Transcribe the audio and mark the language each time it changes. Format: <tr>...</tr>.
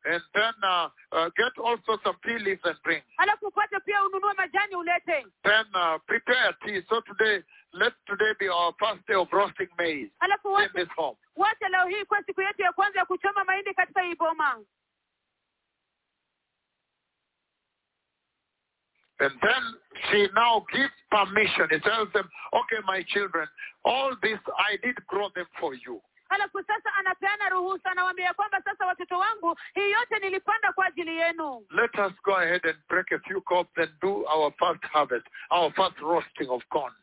<en>And then get also some tea leaves and bring.</en> <sw>Alafu upate pia ununue majani ulete.</sw> <en>Then prepare tea. So today, let today be our first day of roasting maize.</en> <sw>Alafu</sw> <en>in this home.</en> <sw>Wacha leo hii kwa siku yetu ya kwanza ya kuchoma mahindi katika hii boma.</sw> <en>And then she now gives permission. She tells them, okay, my children, all this I did grow them for you.</en> <sw>Alafu sasa anapeana ruhusa na wambia kwamba sasa watoto wangu, hii yote nilipanda kwa ajili yenu.</sw> <en>Let us go ahead and break a few crops and do our first harvest, our first roasting of corn.</en>